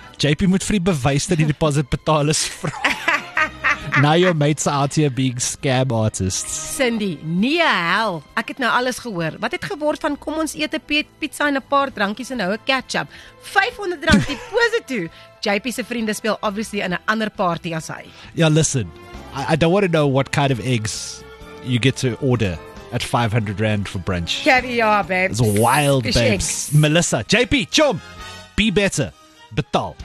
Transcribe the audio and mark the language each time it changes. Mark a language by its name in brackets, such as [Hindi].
[Afrikaans] JP moet vir die bewys dat die deposit betaal is vra. [English] Now your mates are out here being scam artists. [Afrikaans] Cindy, nie hel. Ek het nou alles gehoor. Wat het geword van kom ons eet 'n pizza en 'n paar drankies en nou 'n ketchup? 500 rand deposit toe. JP se vriende speel obviously in 'n ander party as hy. [English] Yeah, listen. I don't want to know what kind of eggs you get to order at 500 rand for brunch. Caviar, babes. It's wild, babes. Melissa, JP, chum. Be better. [Afrikaans] Betaal.